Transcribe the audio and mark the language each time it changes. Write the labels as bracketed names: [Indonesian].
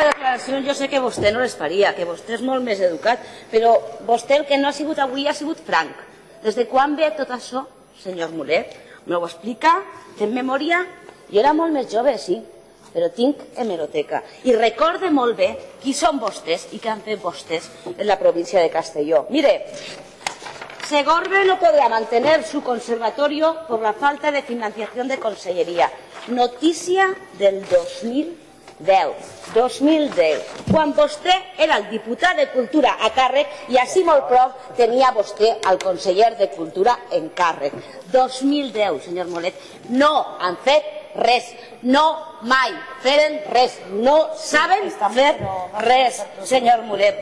[Catalan] declaracions jo sé que vostè no les faria, que vostè és molt més educat, però vostè el que no ha sigut avui ha sigut franc. Des de quan ve tot això, senyor Mulet? Me ho explica? Té memòria? Jo era molt més jove, sí, però tinc hemeroteca. I recorde molt bé qui són vostès i què han fet vostès en la província de Castelló. [Spanish] Mire, Segorbe no podrà mantenir su conservatorio por la falta de financiación de conselleria. [Catalan] Notícia del 2010. 2010. Quan vostè era el diputat de Cultura a càrrec i així molt prou tenia vostè el conseller de Cultura en càrrec. 2010, senyor Mulet. No han fet res. No mai feren res. No saben fer res, senyor Mulet.